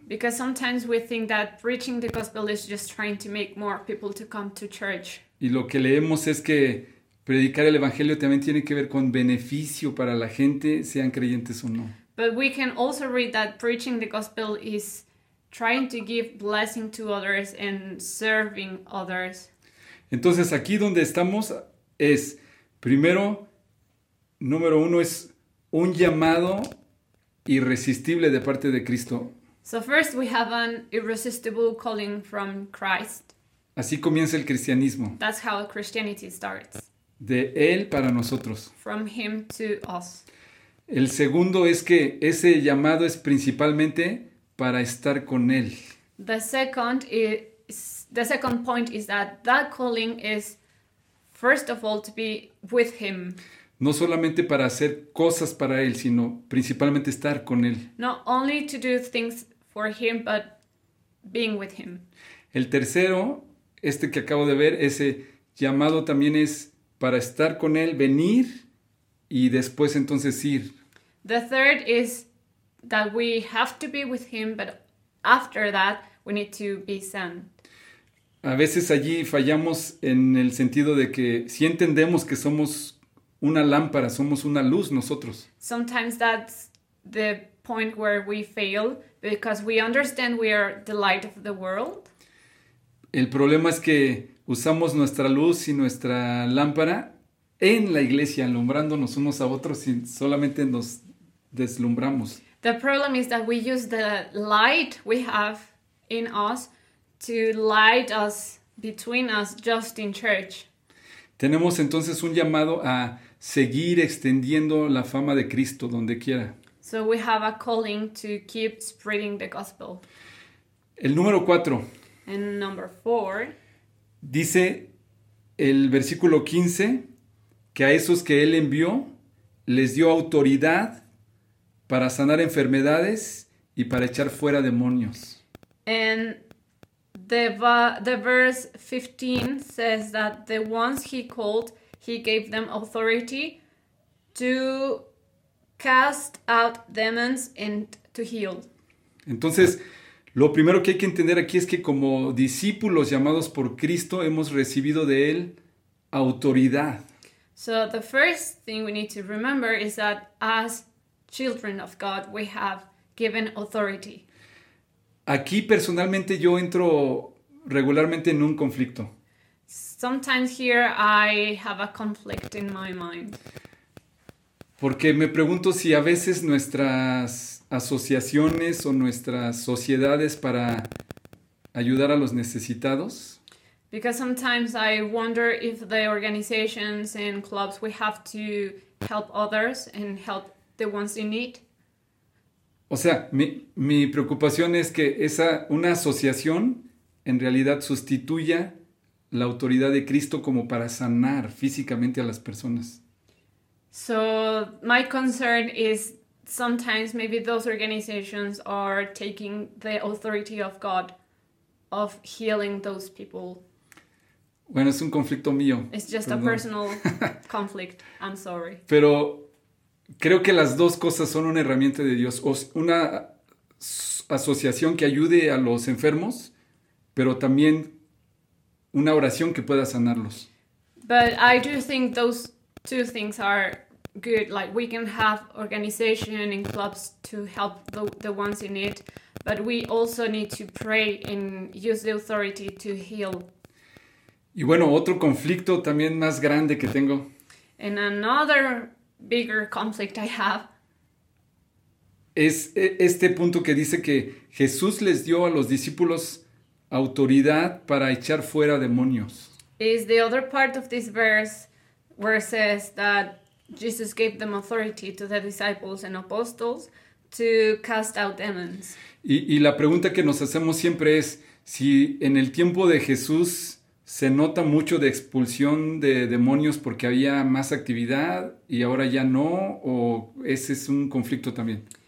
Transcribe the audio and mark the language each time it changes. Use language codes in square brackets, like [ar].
[en] Because sometimes we think that preaching the gospel is just trying to make more people to come to church. [es] Y lo que leemos es que predicar el evangelio también tiene que ver con beneficio para la gente, sean creyentes o no. [en] But we can also read that preaching the gospel is trying to give blessing to others and serving others. [es] Entonces aquí donde estamos es, primero, número uno, es un llamado irresistible de parte de Cristo. [en] So first we have an irresistible calling from Christ. [es] Así comienza el cristianismo. [en] That's how Christianity starts. [es] De Él para nosotros. [en] From Him to us. [es] El segundo es que ese llamado es principalmente para estar con Él. [en] The second point is that that calling is first of all to be with Him. [es] No solamente para hacer cosas para Él, sino principalmente estar con Él. [en] Not only to do things for Him, but being with Him. [es] El tercero, este que acabo de ver, ese llamado también es para estar con Él, venir y después entonces ir. [en] The third is that we have to be with Him, but after that we need to be sent. [es] A veces allí fallamos en el sentido de que si entendemos que somos una lámpara, somos una luz nosotros. [en] Sometimes that's the point where we fail, because we understand we are the light of the world. [es] El problema es que usamos nuestra luz y nuestra lámpara en la iglesia, alumbrándonos unos a otros y solamente nos deslumbramos. [en] The problem is that we use the light we have in us to light us between us just in church. [es] Tenemos entonces un llamado a seguir extendiendo la fama de Cristo donde quiera. [en] So we have a calling to keep spreading the gospel. [es] El número 4. [en] And number 4. [es] Dice el versículo 15 que a esos que Él envió les dio autoridad para sanar enfermedades y para echar fuera demonios. [en] And the verse 15 says that the ones He called, He gave them authority to cast out demons and to heal. [es] Entonces, lo primero que hay que entender aquí es que como discípulos llamados por Cristo hemos recibido de Él autoridad. [en] So the first thing we need to remember is that as children of God we have given authority. [es] Aquí personalmente yo entro regularmente en un conflicto. [en] Sometimes here I have a conflict in my mind. [es] Porque me pregunto si a veces nuestras asociaciones o nuestras sociedades para ayudar a los necesitados. [en] Because sometimes I wonder if the organizations and clubs we have to help others and help the ones in need. [es] O sea, mi preocupación es que esa una asociación en realidad sustituya la autoridad de Cristo como para sanar físicamente a las personas. [en] So my concern is sometimes maybe those organizations are taking the authority of God of healing those people. [es] Bueno, es un conflicto mío. [en] It's just a personal conflict. I'm sorry. [es] Pero creo que las dos cosas son una herramienta de Dios. O una asociación que ayude a los enfermos, pero también una oración que pueda sanarlos. [en] But I do think those two things are good. Like, we can have organization and clubs to help the ones in need, but we also need to pray and use the authority to heal. [es] Y bueno, otro conflicto también más grande que tengo. [en] And another bigger conflict I have. [es] Es este punto que dice que Jesús les dio a los discípulos autoridad para echar fuera demonios. [en] Is the other part of this verse where it says that Jesus gave them authority to the disciples and apostles to cast out demons. [es] Y la pregunta que nos hacemos siempre es, si en el tiempo de Jesús se nota mucho de expulsión de demonios porque había más actividad y ahora ya no, o ese es un conflicto también.